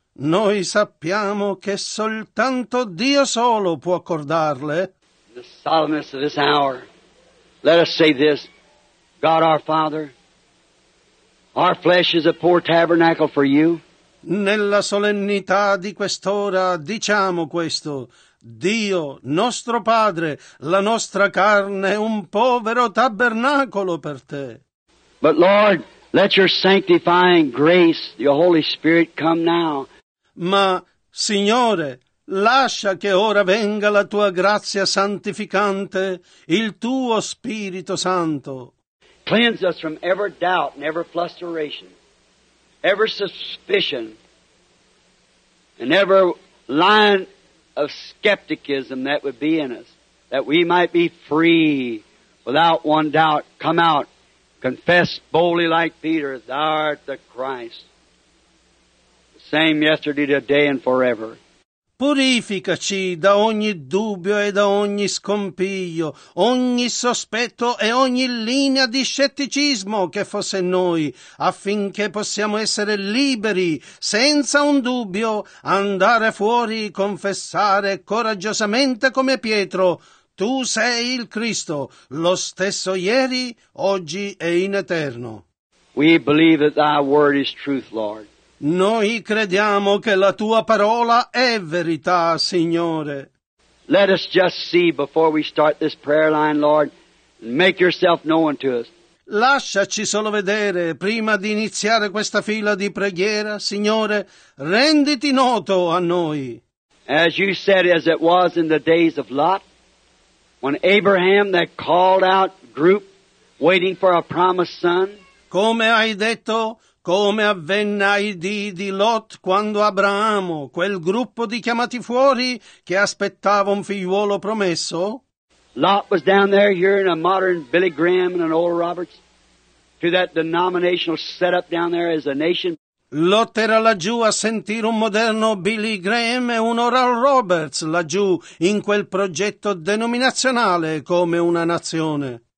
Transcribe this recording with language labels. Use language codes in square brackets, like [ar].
[it] Noi sappiamo che soltanto Dio solo può accordarle. [en] The solemnness of this hour, let us say this, God our Father, our flesh is a poor tabernacle for you. [it] Nella solennità di quest'ora diciamo questo, Dio, nostro Padre, la nostra carne è un povero tabernacolo per te. [en] But Lord, let your sanctifying grace, your Holy Spirit, come now. [it] Ma, Signore, lascia che ora venga la tua grazia santificante, il tuo Spirito Santo. [en] Cleanse us from ever doubt and ever flusteration, ever suspicion, and ever line of skepticism that would be in us, that we might be free without one doubt, come out, confess boldly like Peter, Thou art the Christ, the same yesterday, today, and forever. [it] Purificaci da ogni dubbio e da ogni scompiglio, ogni sospetto e ogni linea di scetticismo che fosse in noi, affinché possiamo essere liberi, senza un dubbio, andare fuori, confessare coraggiosamente come Pietro. Tu sei il Cristo, lo stesso ieri, oggi e in eterno. [en] We believe that thy word is truth, Lord. [it] Noi crediamo che la tua parola è verità, Signore. [en] Let us just see before we start this prayer line, Lord, and make yourself known to us. [it] Lasciaci solo vedere, prima di iniziare questa fila di preghiera, Signore, renditi noto a noi. [en] As you said, as it was in the days of Lot, when Abraham, that called out group, waiting for a promised son. [it] Come hai detto, come avvenne ai dì di Lot quando Abramo, quel gruppo di chiamati fuori che aspettava un figliuolo promesso? [en] Lot was down there hearing a modern Billy Graham and an Oral Roberts to that denominational setup down there as a nation. [it] Lot era laggiù a sentire un moderno Billy Graham e un Oral Roberts laggiù in quel progetto denominazionale come una nazione.